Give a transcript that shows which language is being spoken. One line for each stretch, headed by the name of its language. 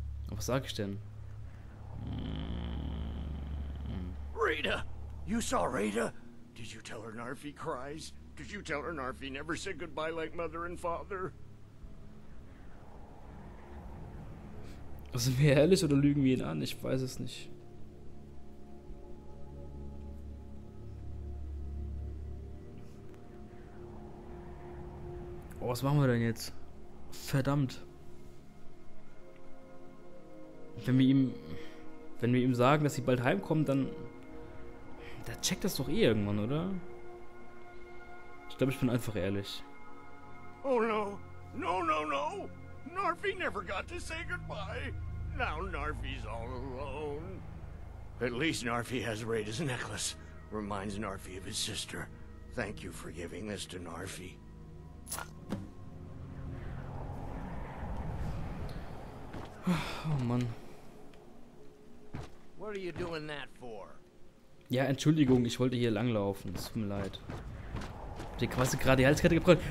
German: Oh, was sag ich denn?
English: Raider! You saw Raider? Did you tell her Narfi cries? Did you tell her Narfi never said goodbye like mother and father?
German: Sind wir ehrlich oder lügen wir ihn an? Ich weiß es nicht. Oh, was machen wir denn jetzt? Verdammt. Wenn wir ihm sagen, dass sie bald heimkommen, dann. Da checkt das doch eh irgendwann, oder? Ich glaube, ich bin einfach ehrlich.
English: Oh no! No, no, no! Narfi never got to say goodbye! Now Narfi's all alone. At least Narfi has Raida's necklace. Reminds Narfi of his sister. Thank you for giving this to Narfi.
German: Oh Mann.
English: What are you doing that for?
German: Ja, Entschuldigung, ich wollte hier langlaufen. Es tut mir leid. Ich hab quasi gerade die Halskette gebraucht.